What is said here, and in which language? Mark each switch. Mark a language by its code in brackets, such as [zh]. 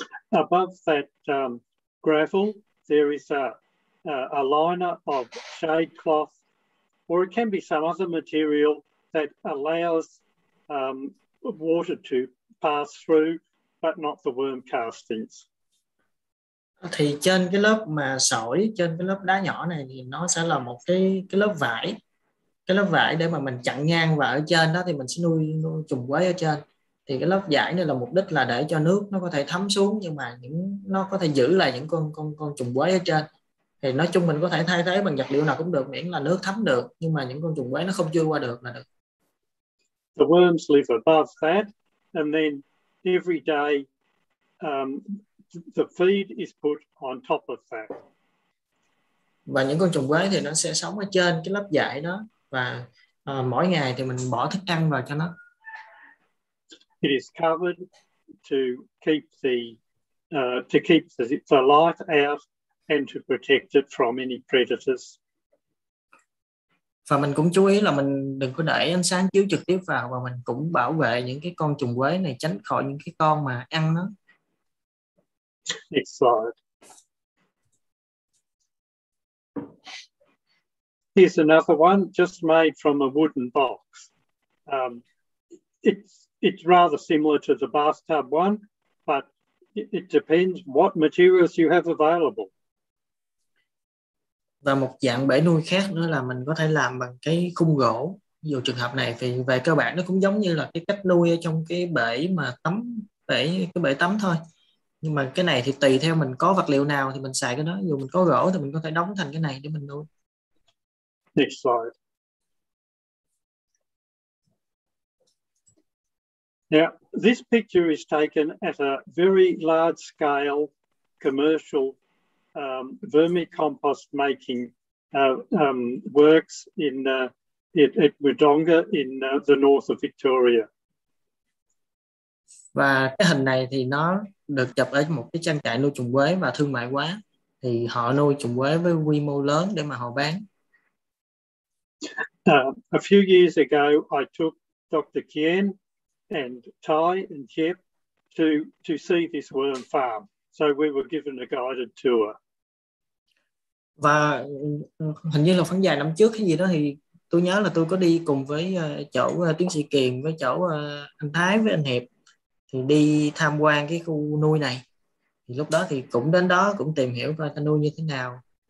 [en] Above that gravel there is a liner of shade cloth, or it can be some other material that allows water to pass through but not the worm castings. [vi] Thì trên cái lớp mà sỏi, trên cái lớp đá nhỏ này thì nó sẽ là một cái lớp vải để mà mình chặn ngang, và ở trên đó thì mình sẽ nuôi trùng quế ở trên. Thì cái lớp vải này là mục đích là để cho nước nó có thể thấm xuống, nhưng mà nó có thể giữ lại những con trùng quế ở trên. Thì nói chung mình có thể thay thế bằng vật liệu nào cũng được, miễn là nước thấm được, nhưng mà những con trùng quế nó không chui qua được là được. [en] The worms live above that, and then every day the feed is put on top of that. [vi] Và những con trùng quế thì nó sẽ sống ở trên cái lớp vải đó, và mỗi ngày thì mình bỏ thức ăn vào cho nó. [en] It is covered to keep the light out and to protect it from any predators. [vi] Và mình cũng chú ý là mình đừng có để ánh sáng chiếu trực tiếp vào, và mình cũng bảo vệ những cái con trùng quế này tránh khỏi những cái con mà ăn nó. [en] Next slide. Here's another one just made from a wooden box. It's rather similar to the bathtub one, but it depends what materials you have available. [vi] Và một dạng bể nuôi khác nữa là mình có thể làm bằng cái khung gỗ. Dù trường hợp này thì về cơ bản nó cũng giống như là cái cách nuôi ở trong cái bể mà tắm, cái bể tắm thôi. Nhưng mà cái này thì tùy theo mình có vật liệu nào thì mình xài cái đó. Dù mình có gỗ thì mình có thể đóng thành cái này để mình nuôi. [en] Next slide. Now, this picture is taken at a very large scale commercial vermicompost making works in at Wodonga in the north of Victoria. [vi] Và cái hình này thì nó được chụp ở một cái trang trại nuôi trùng quế và thương mại quá, thì họ nuôi trùng quế với quy mô lớn để mà họ bán. [en] A few years ago, I took Dr. Kien and Ty and Jeff to see this worm farm, so we were given a guided tour. [vi] Và hình như là khoảng vài năm trước cái gì đó thì tôi nhớ là tôi có đi cùng với chỗ tiến sĩ Kiền, với chỗ anh Thái, với anh Hiệp, thì đi tham quan cái khu nuôi này. Thì lúc đó thì cũng đến đó cũng tìm hiểu coi ta nuôi như thế nào.